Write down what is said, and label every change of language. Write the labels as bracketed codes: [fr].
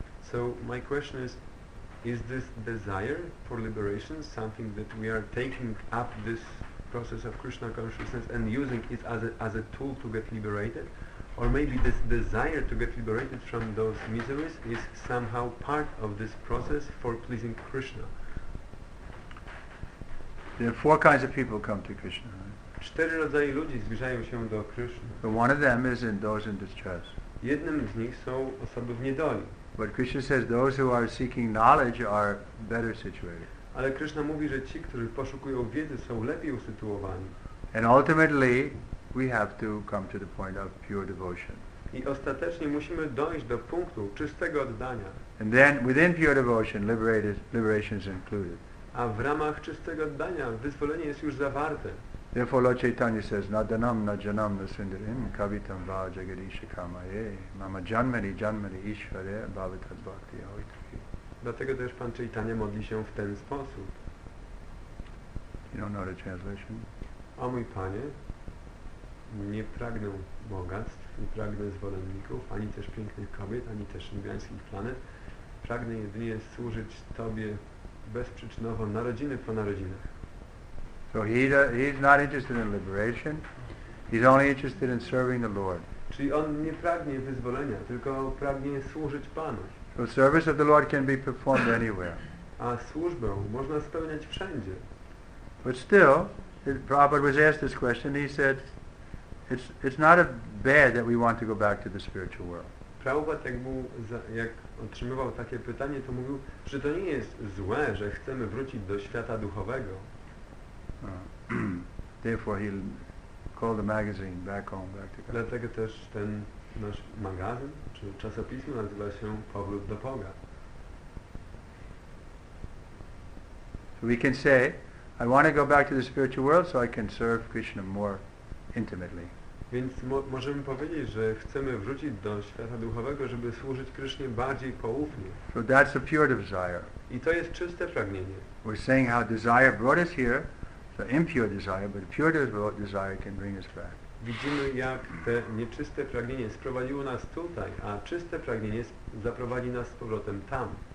[en] So my question is this desire for liberation something that we are taking up this process of Krishna consciousness and using it as a tool to get liberated? Or maybe this desire to get liberated from those miseries is somehow part of this process for pleasing Krishna? There are four kinds of people come to Krishna. [pl] Cztery rodzaje ludzi zbliżają się do Krishna. [en] But one of them is in those in distress. [pl] Jednym z nich są osoby w niedoli. [en] But Krishna says those who are seeking knowledge are better situated. [pl] Ale Krishna mówi, że ci, którzy poszukują wiedzy, są lepiej usytuowani. [en] And ultimately we have to come to the point of pure devotion. [pl] I ostatecznie musimy dojść do punktu czystego oddania. [en] And then within pure devotion, liberation is included. [pl] A w ramach czystego oddania wyzwolenie jest już zawarte. [en] Therefore Lord Chaitanya says, [sa] Nadanam na janam na sindarim kavitam va jagadisha kamaye mama janmari janmari ishvare bhavitad bhakti ahoitaki. [pl] Dlatego też Pan Chaitanya modli się w ten sposób. [en] You don't know the translation? [pl] O mój Panie, nie pragnę bogactw, nie pragnę zwolenników, ani też pięknych kobiet, ani też indiańskich planet. pragnę jedynie służyć Tobie bezprzyczynowo, narodziny po narodzinach. [en] So he's not interested in liberation. He's only interested in serving the Lord. [pl] Czyli on nie pragnie wyzwolenia, tylko pragnie służyć Panu. [en] So service of the Lord can be performed anywhere. [pl] A służbę można spełniać wszędzie. [en] But still, Prabhupada was asked this question. He said, "It's not a bad that we want to go back to the spiritual world." [pl] Prabhupada, jak otrzymywał takie pytanie, to mówił, że to nie jest złe, że chcemy wrócić do świata duchowego. [en] Therefore, he called the magazine back home, back to God. [pl] Dlatego też ten nasz magazyn, czy czasopismo nazywa się Powrót do Boga. [en] So we can say, I want to go back to the spiritual world so I can serve Krishna more intimately. [pl] Więc możemy powiedzieć, że chcemy wrócić do świata duchowego, żeby służyć Krysznie bardziej poufnie. [en] So that's a pure desire. [pl] I to jest czyste pragnienie. [en] We're saying how desire brought us here, the impure desire, but pure desire can bring us back. [pl] Widzimy, jak te nieczyste pragnienie sprowadziło nas tutaj, a czyste pragnienie zaprowadzi nas z powrotem tam.